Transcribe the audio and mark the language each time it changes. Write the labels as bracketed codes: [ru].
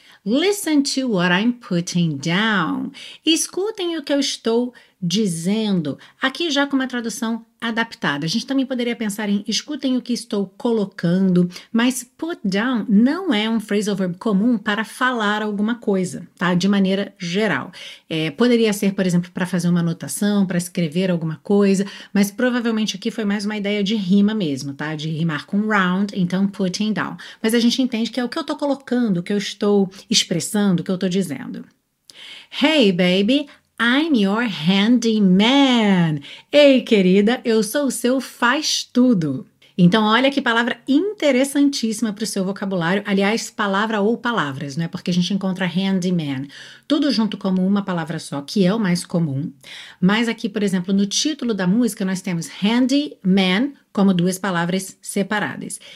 [en] Listen to what I'm putting down. [pt] Escutem o que eu estou dizendo. Aqui já com uma tradução adaptada. A gente também poderia pensar em escutem o que estou colocando, mas put down não é um phrasal verb comum para falar alguma coisa, tá? De maneira geral. Poderia ser, por exemplo, para fazer uma anotação, para escrever alguma coisa, mas provavelmente aqui foi mais uma ideia de rima mesmo, tá? De rimar com round, então putting down. Mas a gente entende que é o que eu estou colocando, o que eu estou expressando, o que eu estou dizendo. [en] Hey, baby, I'm your handyman. [pt] Ei, querida, eu sou o seu faz-tudo. Então, olha que palavra interessantíssima para o seu vocabulário. Aliás, palavra ou palavras, não é? Porque a gente encontra handyman tudo junto como uma palavra só, que é o mais comum. Mas aqui, por exemplo, no título da música, nós temos handyman como duas palavras separadas.